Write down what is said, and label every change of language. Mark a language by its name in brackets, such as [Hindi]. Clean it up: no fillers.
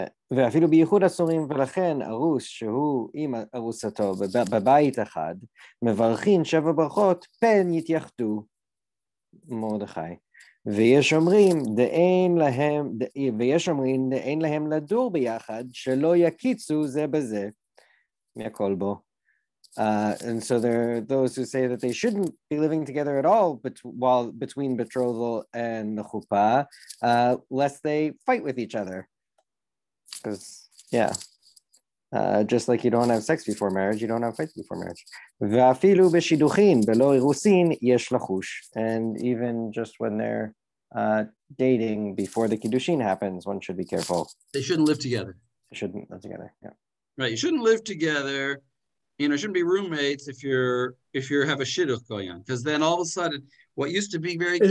[Hebrew] ואפילו בייחוד אסורים ולכן ארוס שהוא עם ארוסתו בבית אחד מברכין שבע ברכות פן יתייחדו Mordechai. ויש אומרים דאין להם ויש אומרים דאין להם לדור ביחד שלא יקיצו זה בזה מהכל בו. [English] And so there are those who say that they shouldn't be living together at all between betrothal and the chuppah, lest they fight with each other. Because, yeah, just like you don't have sex before marriage, you don't have fights before marriage. [Hebrew] ואפילו בשידוכין, בלא אירוסין, יש לחוש. [English] And even just when they're dating before the kiddushin happens, one should be careful. They shouldn't live together. They shouldn't live together, yeah. Right, you shouldn't live together. You know, shouldn't be roommates if you have a shidduch going on, because then all of a sudden, what used to be very cute.